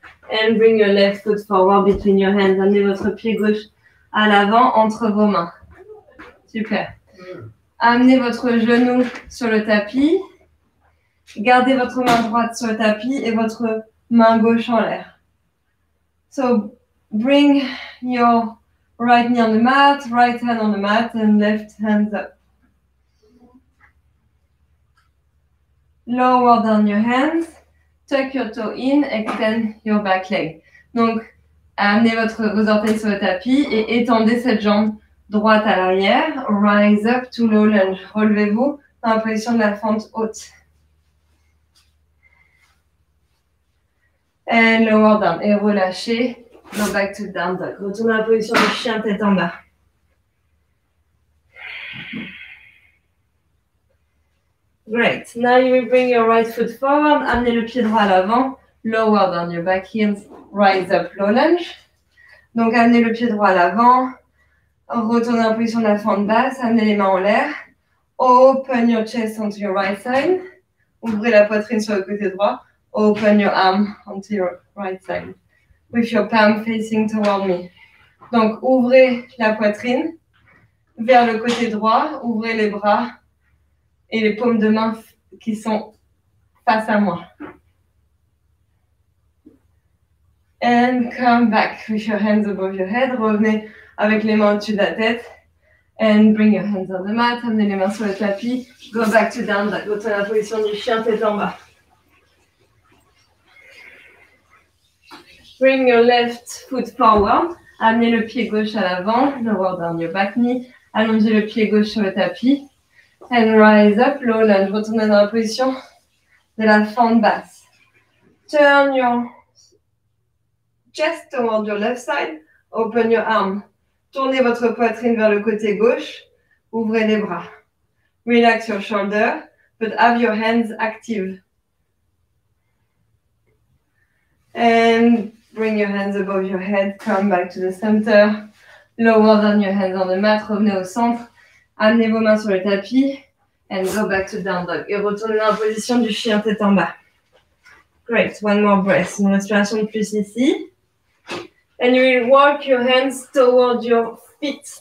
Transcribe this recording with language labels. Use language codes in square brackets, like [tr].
[en] And bring your left foot forward between your hands. [fr] Amenez votre pied gauche à l'avant entre vos mains. Super. Amenez votre genou sur le tapis. Gardez votre main droite sur le tapis et votre main gauche en l'air. [en] So, bring your right knee on the mat, right hand on the mat, and left hand up. Lower down your hands, tuck your toe in, extend your back leg. [fr] Donc, amenez vos orteils sur le tapis et étendez cette jambe droite à l'arrière. [en] Rise up to low lunge. [fr] Relevez-vous dans la position de la fente haute. [en] And lower down. [fr] Et relâchez. [en] Go back to down dog. [fr] Retournez à la position du chien tête en bas. [en] Great. Now you will bring your right foot forward. [fr] Amenez le pied droit à l'avant. [en] Lower down your back heels. Rise up low lunge. [fr] Donc amenez le pied droit à l'avant. Retournez en position de la fente basse. Amenez les mains en l'air. [en] Open your chest onto your right side. [fr] Ouvrez la poitrine sur le côté droit. [en] Open your arm onto your right side. With your palm facing toward me. [fr] Donc, ouvrez la poitrine vers le côté droit. Ouvrez les bras et les paumes de main qui sont face à moi. [en] And come back with your hands above your head. [fr] Revenez avec les mains au-dessus de la tête. [en] And bring your hands on the mat. [fr] Amenez les mains sur le tapis. [en] Go back to down dog. [fr] Retournez la position du chien tête en bas. [en] Bring your left foot forward. [fr] Amenez le pied gauche à l'avant. [en] Lower down your back knee. [fr] Allongez le pied gauche sur le tapis. [en] And rise up. Low lunge. [fr] Retournez dans la position de la fente basse. [en] Turn your chest toward your left side. Open your arm. [fr] Tournez votre poitrine vers le côté gauche. Ouvrez les bras. [en] Relax your shoulder. But have your hands active. And bring your hands above your head, come back to the center. Lower down your hands on the mat, [fr] revenez au centre. Amenez vos mains sur le tapis [en] and go back to down dog. [fr] Et retournez dans la position du chien tête en bas. [en] Great, one more breath. [fr] Une respiration de plus ici. [en] And you will walk your hands toward your feet.